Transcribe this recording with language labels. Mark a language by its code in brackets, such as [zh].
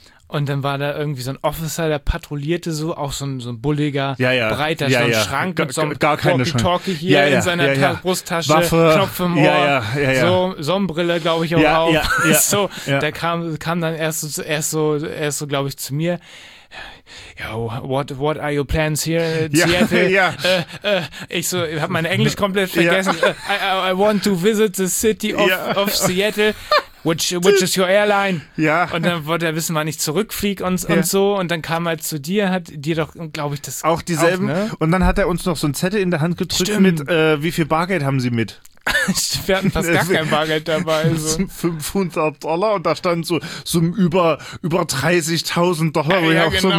[de] Und dann war da irgendwie so ein Officer, der patrouillierte so, auch so ein bulliger, breiter Schrank mit so einem Walkie-Talkie hier in seiner Brusttasche, Waffe, Knopf im Ohr, so Sonnenbrille, glaube ich, auch auf. So, der kam dann erst so, glaube ich, zu mir. [en] Yo, what are your plans here in Seattle? [de] Ich so, ich habe mein Englisch komplett vergessen. [en] I want to visit the city of Seattle. Which is your airline? [de] Ja. Und dann wollte er wissen, wann ich zurückfliege und so. Und dann kam er zu dir, hat dir doch, glaube ich, das auch dieselben. Auch, ne? Und dann hat er uns noch so einen Zettel in der Hand gedrückt mit, wie viel Bargeld haben Sie mit? Wir hatten fast gar kein Bargeld dabei. So. $500 und da stand so über 30.000 Dollar, wo ich auch